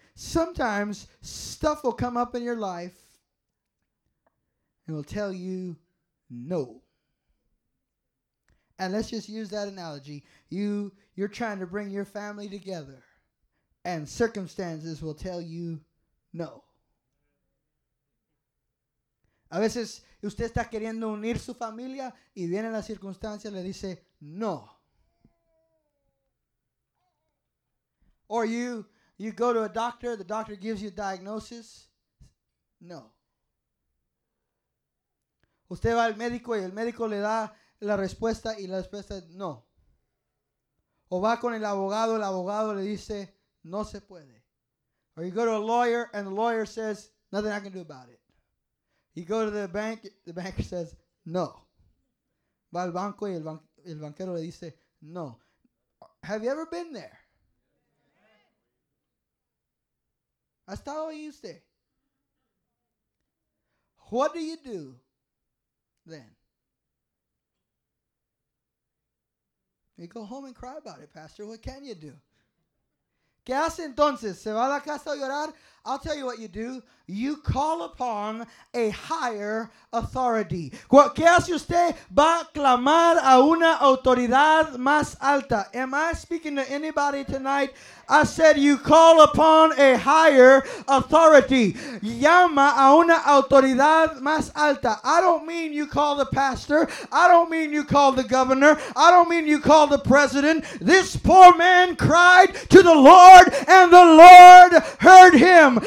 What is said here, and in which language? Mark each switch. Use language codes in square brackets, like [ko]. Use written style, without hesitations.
[en] Sometimes stuff will come up in your life and will tell you no. And let's just use that analogy. You're trying to bring your family together, and circumstances will tell you no. [es] A veces usted está queriendo unir su familia y viene la circunstancia y le dice no. [en] Or you go to a doctor, the doctor gives you a diagnosis, no. [es] Usted va al médico y el médico le da la respuesta y la respuesta es no. O va con el abogado le dice no se puede. [en] Or you go to a lawyer and the lawyer says nothing I can do about it. You go to the banker says, no. [es] Va al banco y el banquero le dice, no. [en] Have you ever been there? [es] ¿Ha estado ahí usted? [en] What do you do then? You go home and cry about it, Pastor. What can you do? [es] ¿Qué hace entonces? ¿Se va a la casa a llorar? [en] I'll tell you what you do. You call upon a higher authority. [es] ¿Qué hace usted? Va a clamar a una autoridad más alta. [en] Am I speaking to anybody tonight? I said you call upon a higher authority. [es] Llama a una autoridad más alta. [en] I don't mean you call the pastor. I don't mean you call the governor. I don't mean you call the president. This poor man cried to the Lord, and the Lord heard him.